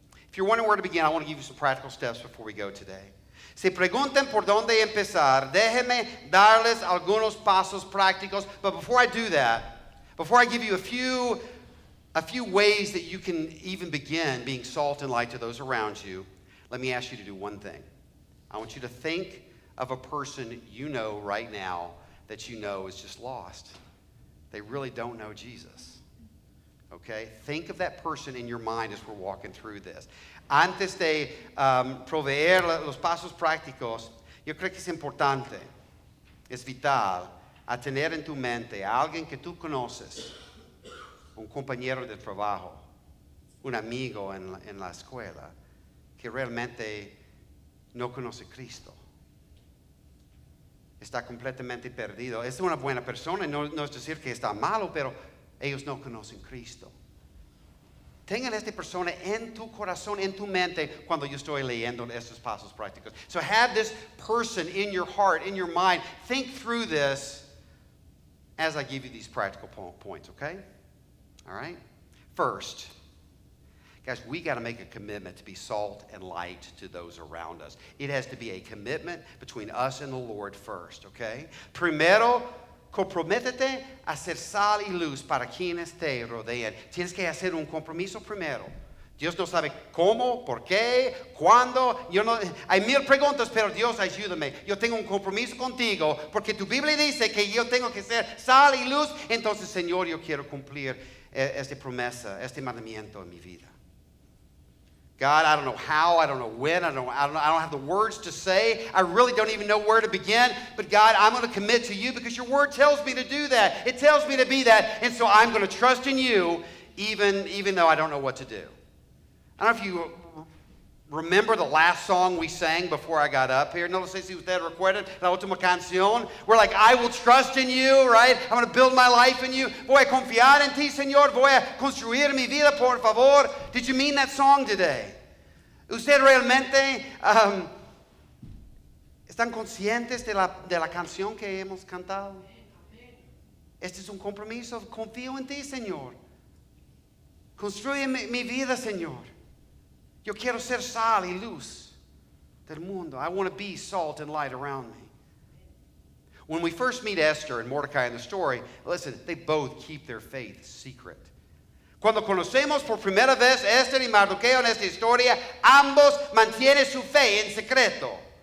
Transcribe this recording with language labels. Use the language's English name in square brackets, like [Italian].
[English] If you're wondering where to begin, I want to give you some practical steps before we go today. [Spanish] Si preguntan por dónde empezar, déjenme darles algunos pasos prácticos. [English] But before I do that, before I give you a few ways that you can even begin being salt and light to those around you, let me ask you to do one thing. I want you to think of a person you know right now that you know is just lost. They really don't know Jesus. Okay, think of that person in your mind as we're walking through this. [Spanish] Antes de proveer los pasos prácticos, yo creo que es importante, es vital, a tener en tu mente a alguien que tú conoces, un compañero de trabajo, un amigo en la escuela, que realmente no conoce Cristo. Está completamente perdido. Es una buena persona, no es decir que está malo, pero ellos no conocen Cristo. Tengan a esta persona en tu corazón, en tu mente, cuando yo estoy leyendo estos pasos prácticos. [English] So have this person in your heart, in your mind. Think through this as I give you these practical points, okay? All right? First, guys, we got to make a commitment to be salt and light to those around us. It has to be a commitment between us and the Lord first, okay? [Spanish] Primero, comprométete a ser sal y luz para quienes te rodean. Tienes que hacer un compromiso primero. Dios no sabe cómo, por qué, cuándo. Yo no, hay mil preguntas, pero Dios, ayúdame. Yo tengo un compromiso contigo porque tu Biblia dice que yo tengo que ser sal y luz. Entonces, Señor, yo quiero cumplir esta promesa, este mandamiento en mi vida. [English] God, I don't know how, I don't know when, I don't have the words to say. I really don't even know where to begin. But God, I'm going to commit to you because your word tells me to do that. It tells me to be that. And so I'm going to trust in you even though I don't know what to do. I don't know if you Remember the last song we sang before I got up here? [Spanish] No sé si usted recuerda la última canción. [English] We're like, I will trust in you, right? I'm going to build my life in you. [Spanish] Voy a confiar en ti, Señor. Voy a construir mi vida, por favor. [English] Did you mean that song today? [Spanish] ¿Usted realmente están conscientes de la canción que hemos cantado? Este es un compromiso. Confío en ti, Señor. Construye mi vida, Señor. Yo quiero ser sal y luz del mundo. [English] I want to be salt and light around me. When we first meet Esther and Mordecai in the story, listen, they both keep their faith secret. [Spanish] Cuando conocemos por primera vez Esther y Mardoqueo en esta historia, ambos mantienen su fe en secreto.